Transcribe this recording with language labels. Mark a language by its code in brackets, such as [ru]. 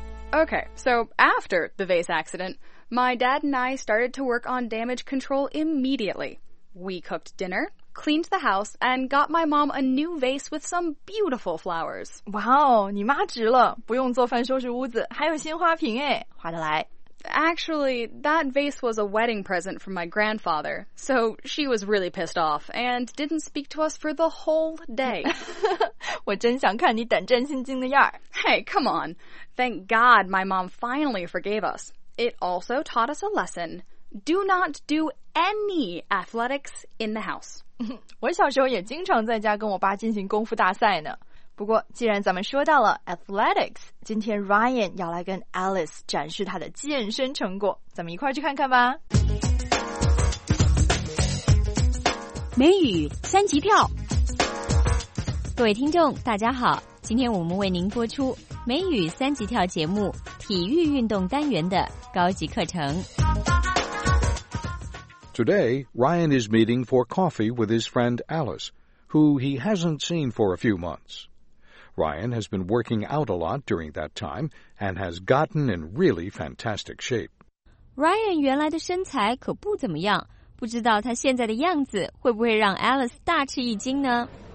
[en] Okay, so after the vase accident, my dad and I started to work on damage control immediately. We cooked dinner. Cleaned the house and got my mom a new vase with some beautiful flowers. [zh] Wow, 你妈值了，不用做饭收拾屋子，还有新花瓶哎，划得来。 [en] Actually, that vase was a wedding present from my grandfather, so she was really pissed off and didn't speak to us for the whole day. [zh] 我真想看你胆战心惊的样儿。 [en] Hey, come on. Thank God my mom finally forgave us. It also taught us a lesson. Do not do any athletics in the house. [zh] 我小时候也经常在家跟我爸进行功夫大赛呢。不过既然咱们说到了 athletics, 今天 Ryan 要来跟 Alice 展示他的健身成果，咱们一块去看看吧。美语三级跳。各位听众大家好，今天我们为您播出美语三级跳节目体育运动单元的高级课程。 [en] Today, Ryan is meeting for coffee with his friend Alice, who he hasn't seen for a few months. Ryan has been working out a lot during that time and has gotten in really fantastic shape. [zh] Ryan 原来的身材可不怎么样，不知道他现在的样子会不会让 Alice 大吃一惊呢？